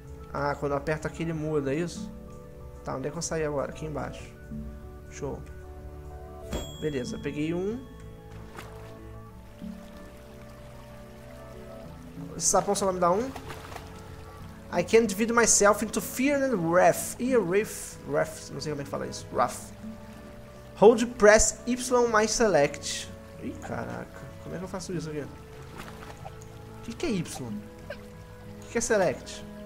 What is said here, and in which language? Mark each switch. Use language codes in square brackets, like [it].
[pt] Ah, quando eu aperto aqui, ele muda, é isso? Tá, onde é que eu saí agora? Aqui embaixo. Show. Beleza, eu peguei um. Esse sapão só vai me dar um. [en] I can't divide myself into fear and wrath. [pt] E wrath, wrath, não sei como é que fala isso. Wrath. [en] Hold press Y [pt] mais select. Ih, caraca, como é que eu faço isso aqui? O que que é Y? O que que é Select?